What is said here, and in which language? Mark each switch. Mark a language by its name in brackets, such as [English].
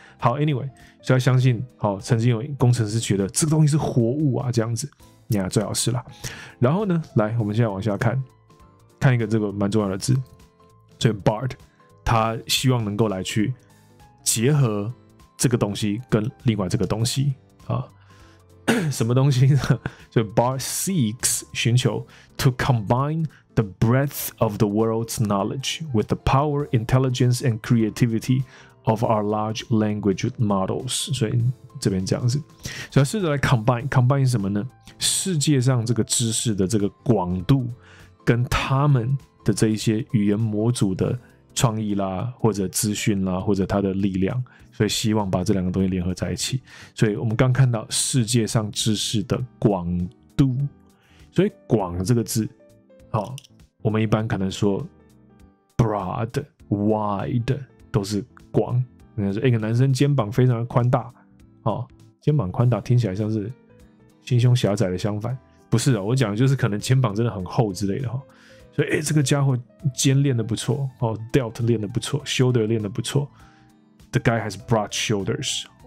[Chinese] 好 ，anyway， 所以要相信，好、哦，曾经有工程师觉得这个东西是活物啊，这样子，呀、yeah, ，最好是啦。然后呢，来，我们现在往下看，看一个这个蛮重要的字，所以 Bard， 他希望能够来去结合这个东西跟另外这个东西啊。什么东西呢？就 [English] Bard seeks [Chinese] 寻求 [English] to combine the breadth of the world's knowledge with the power, intelligence, and creativity of our large language models. [Chinese] 所以这边这样子，所以试着来 combine 什么呢？世界上这个知识的这个广度，跟他们的这一些语言模组的创意啦，或者资讯啦，或者它的力量。所以希望把这两个东西联合在一起。所以我们刚看到世界上知识的广度，所以广这个字、哦、我们一般可能说 [English] broad wide [Chinese] 都是广，人家说一个男生肩膀非常的宽大、哦、肩膀宽大听起来像是心胸狭窄的相反，不是、哦、我讲的就是可能肩膀真的很厚之类的、哦、所以、欸、这个家伙肩练得不错、哦、delt 练得不错， shoulder 练得不错， [English] The guy has broad shoulders.